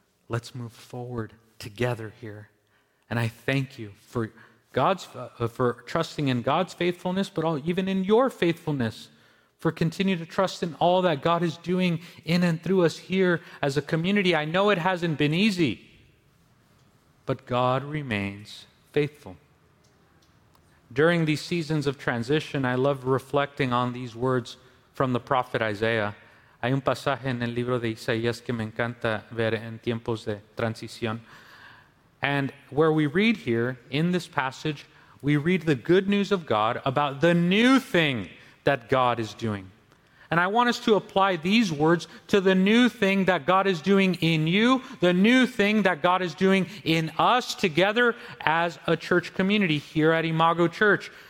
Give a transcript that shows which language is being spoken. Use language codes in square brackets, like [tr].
[en] Let's move forward together here. And I thank you for trusting in God's faithfulness, but all, even in your faithfulness, for continuing to trust in all that God is doing in and through us here as a community. I know it hasn't been easy, but God remains faithful. During these seasons of transition, I love reflecting on these words from the prophet Isaiah. [es] Hay un pasaje en el libro de Isaías que me encanta ver en tiempos de transición. [en] And where we read here, in this passage, we read the good news of God about the new thing that God is doing. And I want us to apply these words to the new thing that God is doing in you, the new thing that God is doing in us together as a church community here at Imago Church.